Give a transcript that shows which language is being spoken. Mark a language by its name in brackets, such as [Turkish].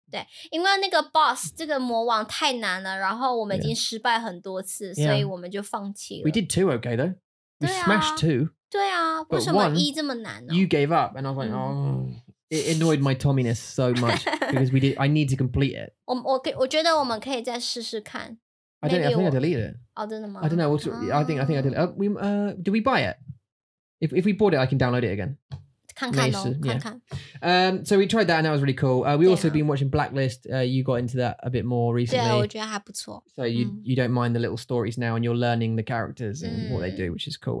[Chinese] 对，因为那个 boss 这个魔王太难了，然后我们已经失败很多次，所以我们就放弃了。 [English] We did two, okay though. We smashed two. [Chinese] 对啊，为什么一这么难呢？ [English] You gave up, and I was like, oh. It annoyed my Tomminess so much because we did. I need to complete it. [Chinese] 我觉得我们可以再试试看。 [English] I don't know, I think I deleted it. [Chinese] Oh, 真的吗？ [English] I don't know. I think I deleted it. Did we buy it? If we bought it, I can download it again. [Chinese] 看看咯，看看。 [English] So we tried that and that was really cool. We also been watching Blacklist. You got into that a bit more recently. [Chinese] 对，我觉得还不错。 [English] So you don't mind the little stories now and you're learning the characters and what they do, which is cool.